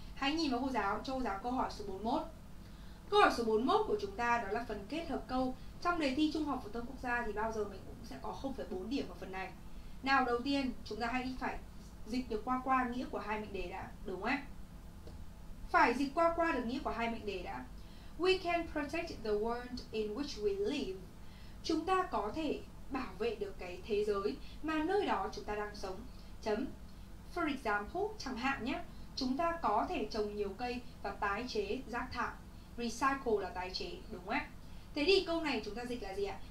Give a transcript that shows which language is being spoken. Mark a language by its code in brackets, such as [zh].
[vi] Hãy nhìn vào cô giáo, cho cô giáo câu hỏi số 41. Câu hỏi số 41 của chúng ta đó là phần kết hợp câu. Trong đề thi Trung học phổ thông quốc gia thì bao giờ mình cũng sẽ có 0,4 điểm ở phần này. Nào đầu tiên chúng ta hãy phải dịch được qua qua nghĩa của hai mệnh đề đã, đúng không ạ? Phải dịch qua qua được nghĩa của hai mệnh đề đã. [en] We can protect the world in which we live. [vi] Chúng ta có thể bảo vệ được cái thế giới mà nơi đó chúng ta đang sống. Chấm. [en] For example, [vi] chẳng hạn nhé, chúng ta có thể trồng nhiều cây và tái chế rác thải. Recycle là tái chế, đúng không ạ? Thế thì câu này chúng ta dịch là gì ạ?